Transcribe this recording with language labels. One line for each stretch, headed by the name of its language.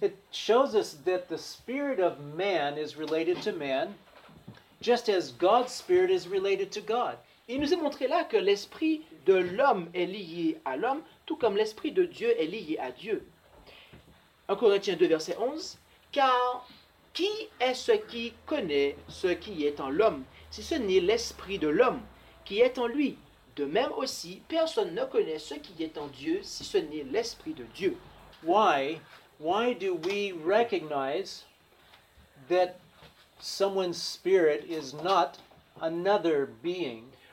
English: It shows us that the spirit of man is related to man, just as God's spirit is related to God.
French: Il nous est montré là que l'esprit de l'homme est lié à l'homme, tout comme l'esprit de Dieu est lié à Dieu. 1 Corinthiens 2, verset 11. Car qui est ce qui connaît ce qui est en l'homme, si ce n'est l'esprit de l'homme qui est en lui? De même aussi, personne ne connaît ce qui est en Dieu, si ce n'est l'esprit de Dieu.
English: Why do we recognize that someone's spirit is not another being?